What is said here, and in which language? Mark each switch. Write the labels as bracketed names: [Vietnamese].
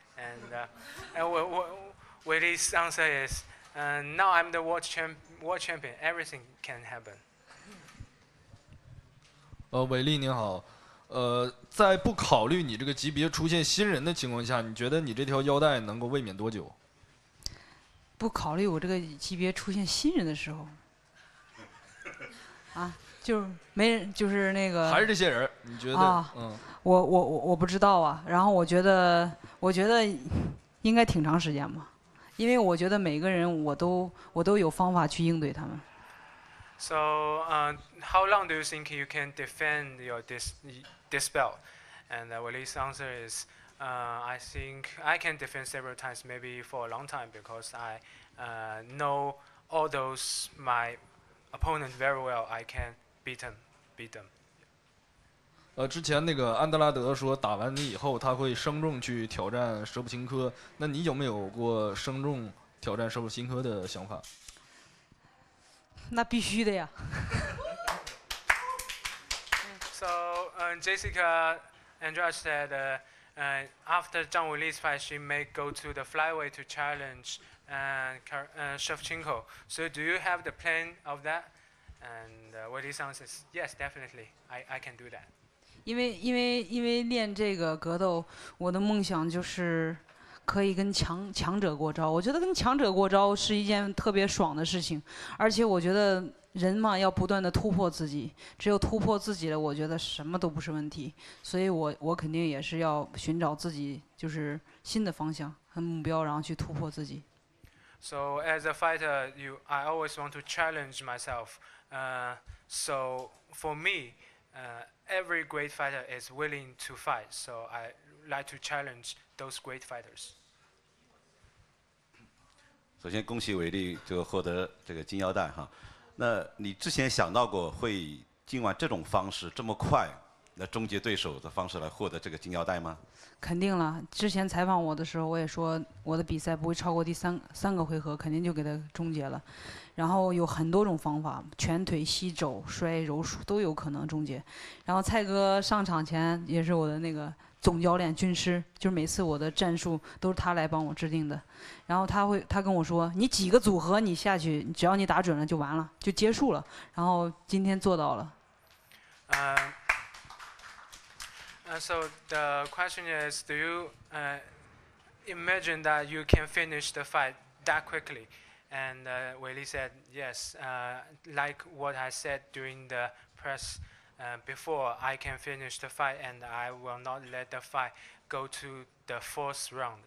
[English] And Willie's answer is, now I'm the world champion. Everything can happen. [Chinese] 韦利您好，在不考虑你这个级别出现新人的情况下，你觉得你这条腰带能够卫冕多久？不考虑我这个级别出现新人的时候，就没人，就是那个还是这些人？你觉得？我不知道啊。然后我觉得应该挺长时间吧，因为我觉得每个人我都有方法去应对他们。 [English] So, how long do you think you can defend your this belt? And Willie's answer is, I think I can defend several times, maybe for a long time, because I know all those my opponent very well. I can. Beat them. [Chinese] 之前那个安德拉德说打完你以后他会升重去挑战舍甫琴科，那你有没有过升重挑战舍甫琴科的想法？那必须的呀。 [English] Jessica Andrea said after Zhang Weili's fight, she may go to the flyweight to challenge Shevchenko. So do you have the plan of that? And what he sounds is, yes, definitely, I can do that. [Chinese] 因为练这个格斗，我的梦想就是可以跟强者过招。我觉得跟强者过招是一件特别爽的事情，而且我觉得人嘛要不断的突破自己，只有突破自己了，我觉得什么都不是问题。所以我肯定也是要寻找自己就是新的方向和目标，然后去突破自己。 [English] So as a fighter, I always want to challenge myself. So for me, every great fighter is willing to fight. So I like to challenge those great fighters. [Chinese] 首先恭喜韦力就获得这个金腰带哈。那你之前想到过会今晚这种方式这么快来终结对手的方式来获得这个金腰带吗？肯定了，之前采访我的时候我也说我的比赛不会超过第三个回合，肯定就给他终结了。然后有很多种方法，拳腿膝肘摔柔术都有可能终结。然后蔡哥上场前也是我的那个总教练军师，就是每次我的战术都是他来帮我制定的。然后他跟我说，你几个组合你下去，只要你打准了就完了，就结束了。然后今天做到了。 [English] So the question is, do you imagine that you can finish the fight that quickly? And Weili said, yes, like what I said during the press before, I can finish the fight and I will not let the fight go to the fourth round.